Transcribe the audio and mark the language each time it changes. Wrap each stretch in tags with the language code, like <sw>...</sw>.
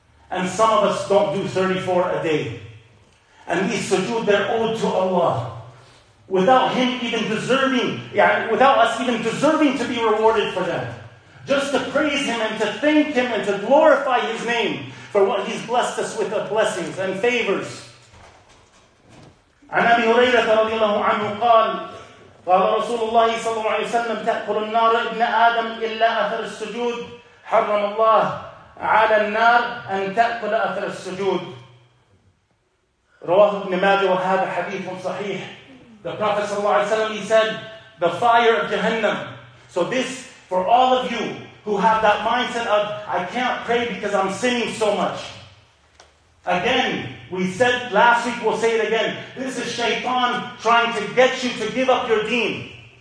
<en>And some of us don't do 34 a day. And these sujood, they're owed to Allah. Without him even deserving, without us even deserving to be rewarded for that. Just to praise him and to thank him and to glorify his name for what he's blessed us with of blessings and favors.</en> <ar>عن أبي هريرة رضي الله عنه قال قال رسول الله صلى الله عليه وسلم تأكل النار ابن آدم إلا أثر السجود حرم الله على النار أن تأكل أثر السجود رواه ابن ماجه وهذا حديث صحيح.</ar> <en>The Prophet صلى الله عليه وسلم, he said, the fire of Jahannam. So this, for all of you who have that mindset of, I can't pray because I'm sinning so much. Again, we said last week, we'll say it again. This is shaitan trying to get you to give up your deen.</en>